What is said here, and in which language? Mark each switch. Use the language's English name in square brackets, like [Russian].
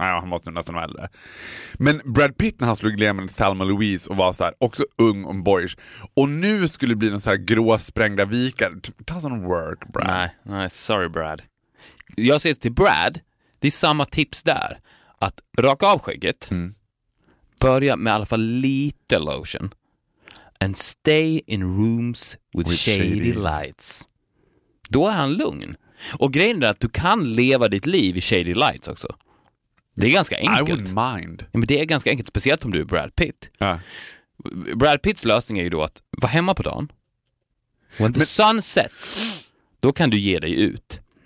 [Swedish] Ja, han måste nästan vara äldre. Men Brad Pitt när han slog igenom Thelma Louise och var så här också ung och boyish. Och nu skulle det bli någon så här gråsprängda vikar. [English] It doesn't work, Brad. [Swedish] Nej, sorry Brad. Jag säger till Brad, det är samma tips där, att raka av skägget. Börja med i alla fall lite lotion. [English] And stay in rooms with shady lights. [Swedish] Då är han lugn. Och grejen är att du kan leva ditt liv i [English] shady lights [Swedish] också. Det är ganska enkelt. [English] I wouldn't mind. [Swedish] Ja, men det är ganska enkelt, speciellt om du är Brad Pitt. Ja. Brad Pitts lösning är ju då att vara hemma på dagen. [English] When the sun sets, [Swedish] då kan du ge dig ut.